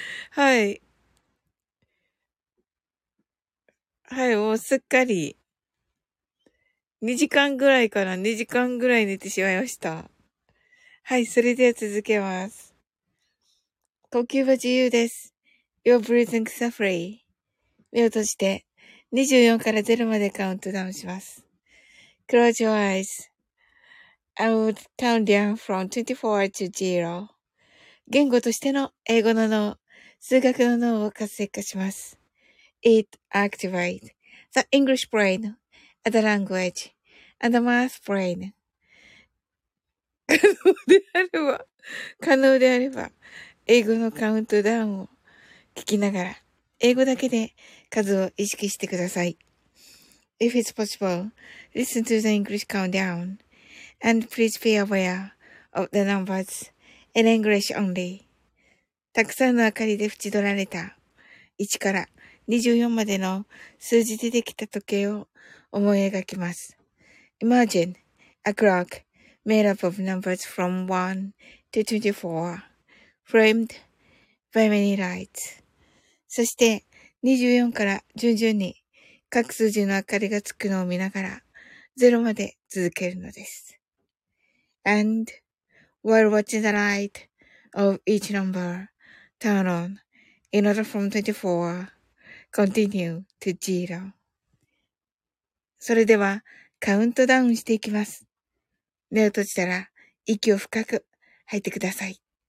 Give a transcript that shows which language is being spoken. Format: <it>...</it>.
<ja>はいはい、もうすっかり2時間ぐらいかな、2時間ぐらい寝てしまいました。はい、それでは続けます。呼吸は自由です。</ja> <en>You're breathing safely。</en> <ja>目を閉じて24から0までカウントダウンします。</ja> <en>Close your eyesI would count down from 24 to 0.</en> <ja>言語としての英語の脳、数学の脳を活性化します。</ja> <en>It activates the English brain and the language and the math brain.</en> <ja>可能であれば、英語のカウントダウンを聞きながら、英語だけで数を意識してください。</ja> <en>If it's possible, listen to the English countdown. And please be aware of the numbers in English only.</en> <ja>たくさんの明かりで縁取られた1から24までの数字でできた時計を思い描きます。</ja> <en>Imagine a clock made up of numbers from 1 to 24 framed by many lights.</en> <ja>そして24から順々に各数字の明かりがつくのを見ながら0まで続けるのです。</ja> <en>And while watching the light of each number turn on in order from 24, continue to zero.</en> <ja>それではカウントダウンしていきます。目を閉じたら息を深く吐いてください。</ja>